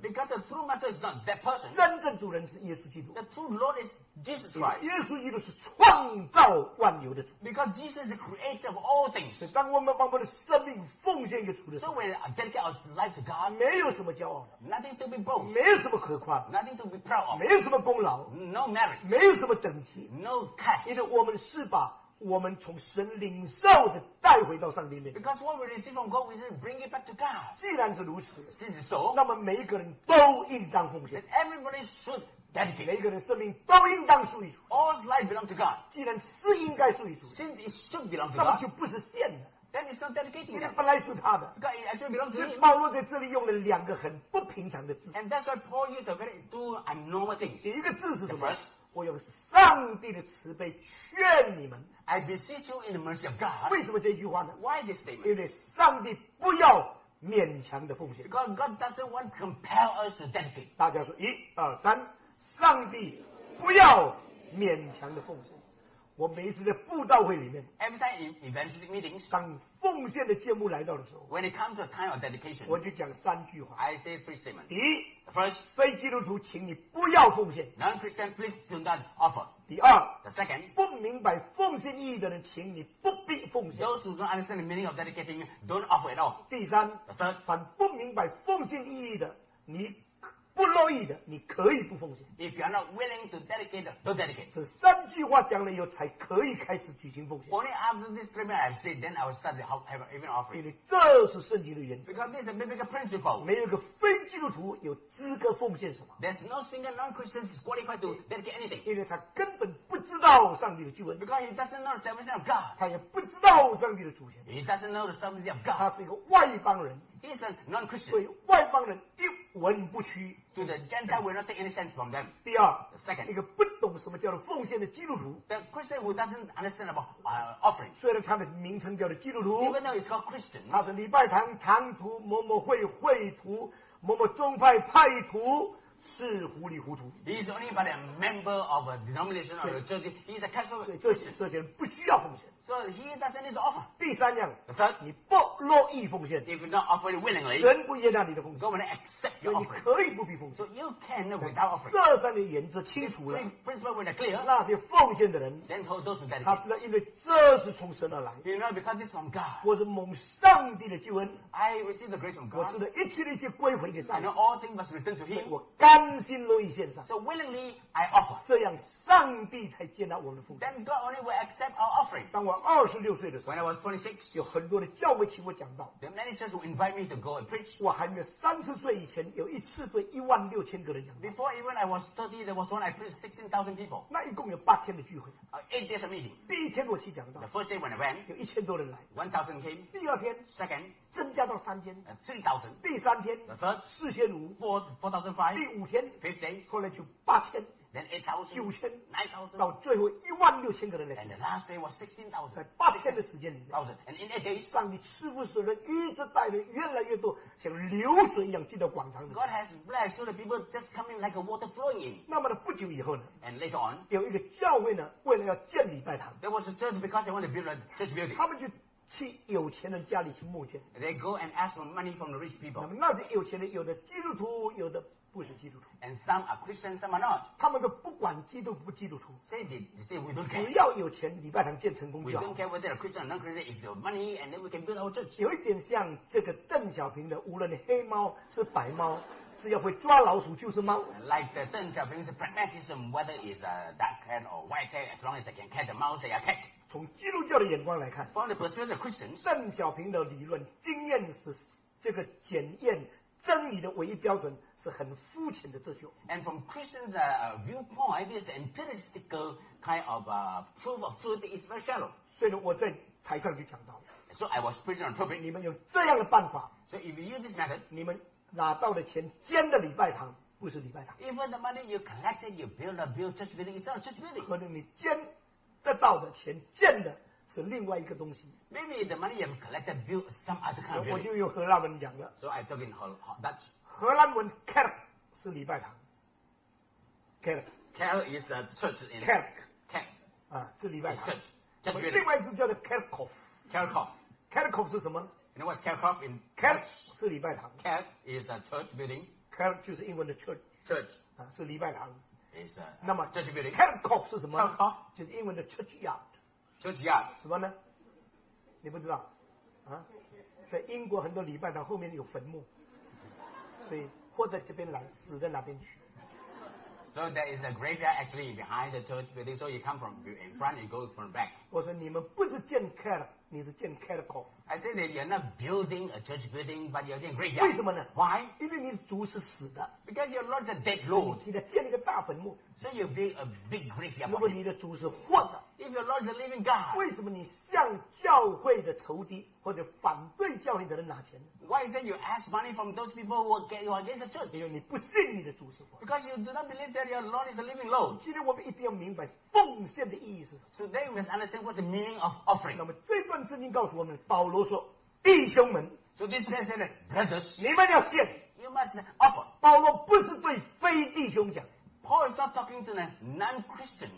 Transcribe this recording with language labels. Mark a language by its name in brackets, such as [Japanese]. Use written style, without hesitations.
[English] Because the true master is not that person. [Chinese] 真正主人是耶稣基督。 [English] The true Lord is Jesus Christ. [Chinese] 耶稣基督是创造。万有的主 [English] because Jesus is the creator of all things [Chinese] 当我们把我们的生命奉献给主的时候 [English] so we dedicate our life to God [Chinese] 没有什么骄傲 [English] nothing to be boast [Chinese] 没有什么可夸 [English] nothing to be proud of [Chinese] 没有什么功劳 [English] no merit [Chinese] 没有什么等级 [English] no cash [Chinese] 因为我们是把我们从神领受的带回到上帝面 [English] because what we receive from God we just bring it back to God [Chinese] 既然是如此 [English] since so [Chinese] 那么每一个人都应当奉献 [English] that everybody shouldDedicate. [Chinese] 每一个人生命都应当属于主。 [English] All's life belongs to God. [Chinese] 既然是应该属于主。 [English] Since it should belong to God. [Chinese] 那么就不是献的。 [English] Then it's not dedicating. [Chinese] 因为本来是他的。 [English] God, it actually belongs to him. [Chinese] 保罗在这里用了两个很不平常的字。 [English] And that's why Paul used a very two abnormal things. [Chinese] 第一个字是什么？我用上帝的慈悲劝你们。 [English] I beseech you in the mercy of God. [Chinese] 为什么这句话呢 [English] ？Why this statement? [Chinese] 因为上帝不要勉强的奉献。 [English] God doesn't want to compel us to dedicate. [Chinese] 大家说一二三，上帝不要勉强的奉献。我每一次在布道会里面 [English] ，Every time in evangelistic meetings， [Chinese] 当奉献的节目来到的时候 [English] ，When it comes to time of dedication， [Chinese] 我就讲三句话。 [English] I say three statements. [Chinese] 第一 [English] ，First， [Chinese] 非基督徒，请你不要奉献。 [English] Non-Christian, please do not offer. [Chinese] 第二 [English] ，The second， [Chinese] 不明白奉献意义的人，请你不必奉献。 [English] Those who don't understand the meaning of dedicating, don't offer at all. [Chinese] 第三 [English] ，The third， [Chinese] 反不明白奉献意义的，你不乐意的，你可以不奉献。 [English] If you are not willing to dedicate, don't dedicate. [Chinese] 这三句话讲了以后，才可以开始举行奉献。 [English] Only after this statement I say, then I will start to have even offering. [Chinese] 因为这是圣经的原则。 [English] Because this is a biblical principle. [Chinese] 没有一个非基督徒有资格奉献什么。 [English] There's no single non-Christian is qualified to dedicate anything. [Chinese] 因为他根本不知道上帝的救恩。 [English] Because he doesn't know the salvation of God. [Chinese] 他也不知道上帝的主权。 [English] He doesn't know the salvation of God. [Chinese] 他是一个外邦人。 [English] He's a non-Christian. [Chinese] 所以外邦人一文不取。 [English] To the Gentile will not take any sense from them. [Chinese] 第二 [English] the second, [Chinese] 一个不懂什么叫做奉献的基督徒 [English] The Christian who doesn't understand about offering. [Chinese] 虽然他的名称叫做基督徒 [English] Even though it's called Christian. [Chinese] 他是礼拜堂堂徒某某会会徒某某宗派派徒是糊里糊涂 [English] He's only but a member of a denomination of a church. He's a casual Christian. [Chinese] 所以这些人不需要奉献 [English] So he doesn't need to offer. [Chinese] 第三样 [English] The third, [Chinese] 你不乐意奉献 [English] If you don't offer it willingly, [Chinese] 神不接纳你的奉献 [English] God will accept your offering. [Chinese] 所以你可以不必奉献 [English] So you can without offering. [Chinese] 这三个原则清楚了 [English] The principle will be clear. [Chinese] 那些奉献的人 [English] Then those who dedicate. [Chinese] 他知道因为这是从神而来 [English] You know because this is from God. [Chinese] 我是蒙上帝的救恩 [English] I receive the grace from God. [Chinese] 我知道一切的一切归回给上帝 [English] I know all things must return to him. [Chinese] 我甘心乐意献上 [English] So willingly I offer. [Chinese] 这样上帝才接纳我们的奉献 [English] Then God only will accept our offering. [Chinese] 当我26岁的时候 [English] When I was 26, [Chinese] 有很多的教会请我讲道 [English] The managers who invite me to go and preach [Chinese] 我还没有30岁以前有一次对16000个人讲道 [English] Before even I was 30 there was one I preached 16,000 people [Chinese] 那一共有8天的聚会 [English] 8 days of meeting [Chinese] 第一天我去讲道 [English] The first day when I went [Chinese] 有1000多人来 [English] 1000 came [Chinese] 第二天 [English] Second [Chinese] 增加到3000 [English] 3000 [Chinese] 第三天 [English] The third 4500 [Chinese] 第五天 [English] Fifth day [Chinese] 后来就8000 [English] Then 8,000, 9,000, 9,000, [Chinese] 到最后16,000个人来。 [English] And the last day was 16,000. [Chinese] 在八天的时间里面。 [English] Thousand. And in 8 days, [Chinese] 上帝赐福使人一直带着越来越多，像流水一样进到广场里。 [English] God has blessed so the people just coming like a water flowing in. [Chinese] 那么呢，不久以后呢 [English] ？And later on, [Chinese] 有一个教会呢，为了要建礼拜堂。 [English] There was a church because they want to build a church building. [Chinese] 他们就去有钱人家里去募捐。 [English] They go and ask for money from the rich people. [Chinese] 那么那些有钱人，有的基督徒，有的。不是基督徒 [English] and some are Christians, some are not. [Chinese] 他们都不管基督不基督徒 [English] say they, say we don't care. [Chinese] 只要有钱礼拜堂建成功就好 [English] we don't care whether a Christian or non-Christian if you have money and then we can build our church [Chinese] 有一点像这个邓小平的无论黑猫是白猫只要会抓老鼠就是猫 [English] like the 邓小平 's pragmatism whether it's a dark cat or white cat as long as they can catch the mouse they are catch [Chinese] 从基督教的眼光来看 [English] from the perspective of Christians [Chinese] 邓小平的理论经验是这个检验真理的唯一标准是很肤浅的哲学。 [English] And from Christians' viewpoint, this empiristic kind of proof of truth is very shallow. [Chinese] 所以我在台上就讲到了。 [English] So I was preaching on topic. [Chinese] 你们有这样的办法。 [English] So if you use this method, [Chinese] 你们拿到的钱建的礼拜堂不是礼拜堂。 [English] Even the money you collected, you build a build church building, it's not a church building. [Chinese] 可能你建得到的钱建的。是另外一个东西。 [English] Maybe the money you have collected build some other kind of. [Chinese] 我就用荷兰文讲了。 [English] So I talk in Dutch. [Chinese] 荷兰文 kerk 是礼拜堂。 [English] kerk is a church in kerk. kerk [Chinese] 啊，是礼拜堂。 [English] church. [Chinese] 另外一种叫做 kerkhof. [English] kerkhof. [Chinese] kerkhof 是什么 [English] ？You know what kerkhof in [Chinese] kerk 是礼拜堂。 [English] kerk is a church building. [Chinese] kerk 就是英文的 church. [English] church [Chinese] 啊，是礼拜堂。 [English] is a [Chinese] 那么 [English] church building. [Chinese] kerkhof 是什么 [English] ？kerkhof [Chinese] 就是英文的 churchyard。 [English] Churchyard [Chinese] 什么呢？你不知道啊？在英国很多礼拜堂后面有坟墓，所以或者这边来，死在哪边去 [English] ？So there is a graveyard actually behind the church building. So you come from in front, you go from back. [Chinese] 我说你们不是建 kerk， 你是建 kerkhof。 [English] I say that you're not building a church building, but you're doing graveyard. [Chinese] 为什么呢 [English] ？Why？ [Chinese] 因为你主是死的。 [English] Because your Lord is a dead Lord. [Chinese] 你在建一个大坟墓。 [English] So you build a big graveyard. [Chinese] 如果你的主是活的。 [English] If your Lord is a living God, [Chinese] 为什么你向教会的仇敌或者反对教会的人拿钱 [English] ？Why is that you ask money from those people who are against the church? [Chinese] 因为你不信你的主是活。 [English] Because you do not believe that your Lord is a living Lord. [Chinese] 今天我们一定要明白奉献的意义是什么。 [English] Today we must understand what the meaning of offering. [Chinese] 那么这段圣经告诉我们，保罗说：“弟兄们。” [English] So this man said, brothers, [Chinese] 你们要信。 [English] You must offer. [Chinese] 保罗不是对非弟兄讲。 [English] Paul is not talking to the non-Christian.